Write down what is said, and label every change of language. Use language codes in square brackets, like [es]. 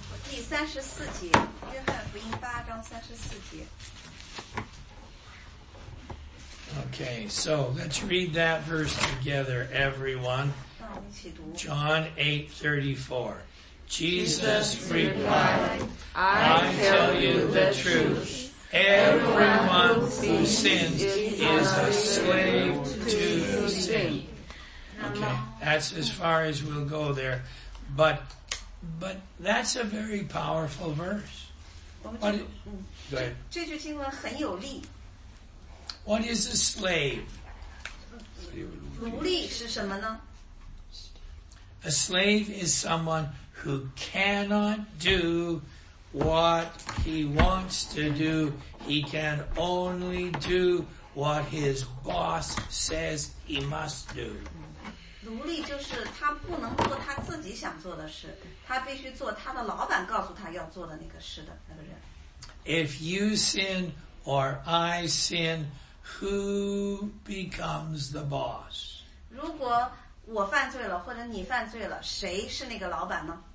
[zh] 第三十四节，约翰福音八章三十四节。 [en] Okay, so let's read that verse together, everyone. John 8, 34. Jesus replied, I tell you the truth. Everyone who sins is a slave to sin. Okay, that's as far as we'll go there. But that's a very powerful verse. What, go ahead. [zh] 这句经文很有力。 [en] What is a slave? [zh] 奴隶是什么呢? [en] A slave is someone who cannot do what he wants to do. He can only do what his boss says he must do. [zh] 奴隶就是他不能做他自己想做的事，他必须做他的老板告诉他要做的那个事的那个人。 [en] If you sin or I sin, who becomes the boss? [zh] 如果我犯罪了或者你犯罪了，谁是那个老板呢？